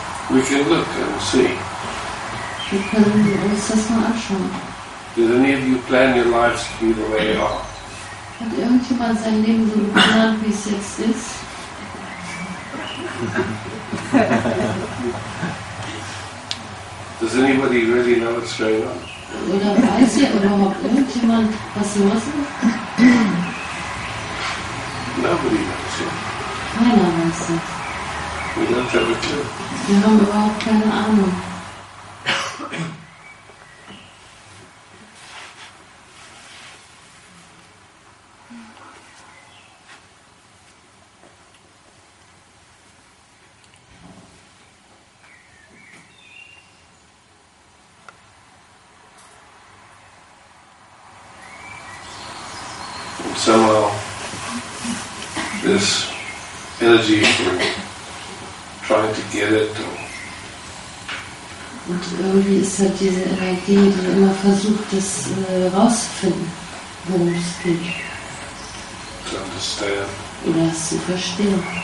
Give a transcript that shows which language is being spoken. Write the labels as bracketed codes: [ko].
[en] We can look and see. [de] Wir können uns das mal anschauen. [en] Did any of you plan your lives to be the way they are? [de] Hat irgendjemand sein Leben so geplant, wie es jetzt ist? [en] Does anybody really know what's going on? [de] Oder weiß ihr überhaupt irgendjemand, was los ist? [en] Nobody knows it. [de] Keiner weiß es. [en] We don't have a clue. [de] Wir haben überhaupt keine Ahnung. [en] Somehow, this energy for trying to get it. [de] Und irgendwie ist halt diese Energie, die immer versucht, das rauszufinden, worum es geht. [en] To understand. [de] Oder es zu verstehen.